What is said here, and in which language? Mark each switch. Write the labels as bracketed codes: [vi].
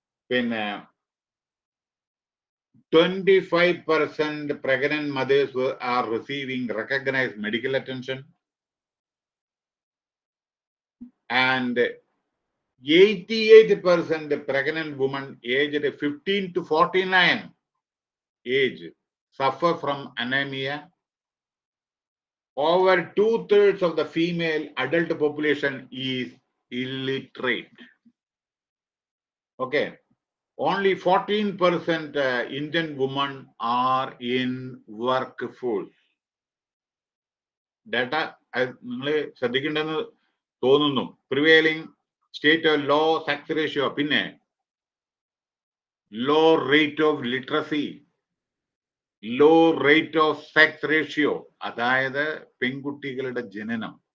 [en] പിന്നെ 25% pregnant mothers are receiving recognised medical attention and 88% pregnant women aged 15 to 49 age suffer from anaemia. Over 2/3 of the female adult population is illiterate. Okay, only 14% Indian women are in workforce. [ml] Data നിങ്ങളെ ശ്രദ്ധിക്കേണ്ടെന്ന് തോന്നുന്നു. [en] prevailing state of low sex ratio, പിന്നെ low rate of literacy, low rate of sex ratio, [ml] അതായത് പെൺകുട്ടികളുടെ ജനനം.